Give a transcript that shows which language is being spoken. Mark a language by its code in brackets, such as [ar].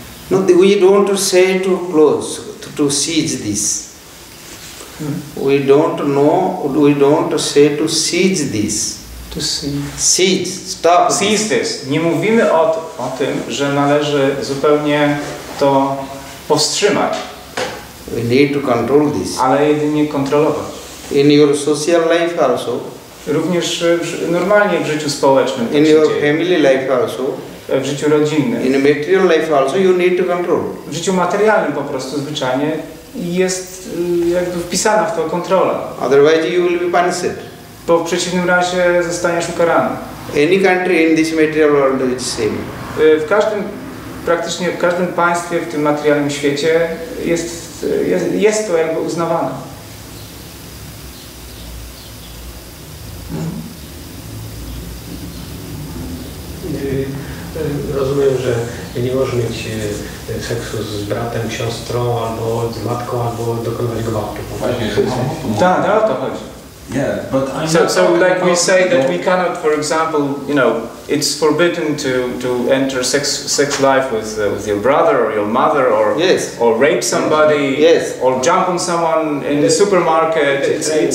[en] No, we don't want to say too close, to seize this. We don't know, we don't say to seize this. To seize. Seize, stop. Seize this. [pl] Nie mówimy o tym, że należy zupełnie to powstrzymać. [en] We need to control this. [pl] Ale jedynie kontrolować. [en] In your social life also. [pl] Również normalnie w życiu społecznym. [en] In your family life also. [pl] W życiu rodzinnym. [en] In material life also you need to control. [pl] W życiu materialnym po prostu zwyczajnie jest jakby wpisana w to kontrola. [en] Otherwise you will be punished. [pl] Bo w przeciwnym razie zostaniesz ukarany. [en] Any country in this material world is the same. [pl] W każdym, praktycznie w każdym państwie w tym materialnym świecie jest, jest, jest to jakby uznawane. Rozumiem, że nie możesz mieć seksu z bratem, siostrą, albo z matką, albo dokonywać gwałtu. Tak, o to chodzi. [en] Yeah, but I'm so like we say that we cannot, for example, you know, it's forbidden to enter sex life with your brother or your mother or yes. Or rape somebody yes. Or jump on someone in the supermarket. It's